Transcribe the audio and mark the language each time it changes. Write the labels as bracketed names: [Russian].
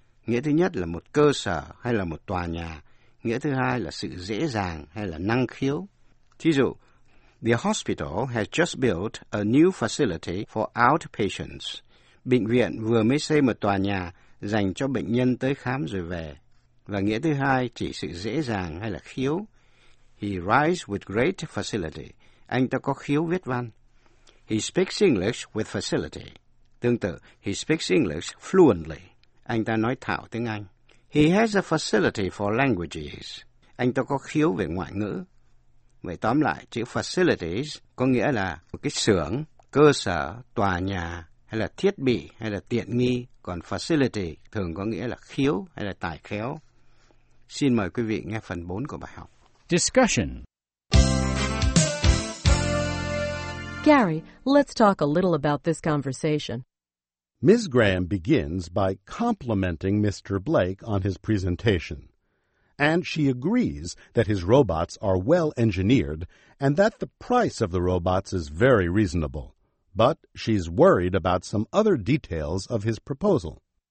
[Vietnamese] Nghĩa thứ nhất là một cơ sở hay là một tòa nhà. Nghĩa thứ hai là sự dễ dàng hay là năng khiếu. Thí dụ, [English] The hospital has just built a new facility for outpatients. [Vietnamese] Bệnh viện vừa mới xây một tòa nhà dành cho bệnh nhân tới khám rồi về. Và nghĩa thứ hai chỉ sự dễ dàng hay là khiếu. [English] He writes with great facility. [Vietnamese] Anh ta có khiếu viết văn. [English] He speaks English with facility. [Vietnamese] Tương tự, [English] he speaks English fluently. [Vietnamese] Anh ta nói thạo tiếng Anh. [English] He has a facility for languages. [Vietnamese] Anh ta có khiếu về ngoại ngữ. Vậy tóm lại, chữ facilities có nghĩa là một cái xưởng, cơ sở, tòa nhà, hay là thiết bị, hay là tiện nghi. Còn facility thường có nghĩa là khiếu hay là tài khéo. Xin mời quý vị nghe phần 4 của bài học. [English] Discussion. Gary, let's talk a little about this conversation. Ms. Graham begins by complimenting Mr. Blake on his presentation, and she agrees that his robots are well-engineered and that the price of the robots is very reasonable, but she's worried about some other details of his proposal.